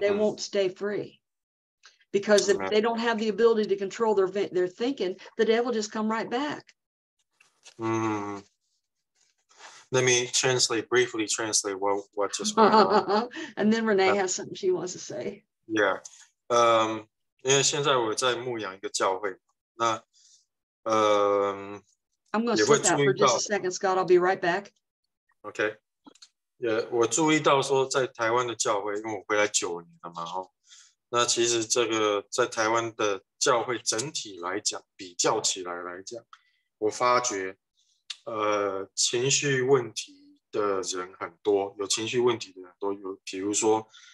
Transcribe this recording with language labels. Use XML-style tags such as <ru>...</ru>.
<en>They won't stay free because if they don't have the ability to control their thinking, the devil just come right back. Mm-hmm. Let me briefly translate what just went on. And then Renee has something she wants to say. Yeah.</en> <zh>因为现在我在牧养一个教会，那</zh> <en>I'm going to sit down for just a second, Scott. I'll be right back. Okay.</en> <zh>Yeah, 我注意到说在台湾的教会, 因为我回来9年了嘛, 哦, 那其实这个在台湾的教会整体来讲, 比较起来来讲, 我发觉, 情绪问题的人很多, 有情绪问题的人很多, 有, 比如说,</zh>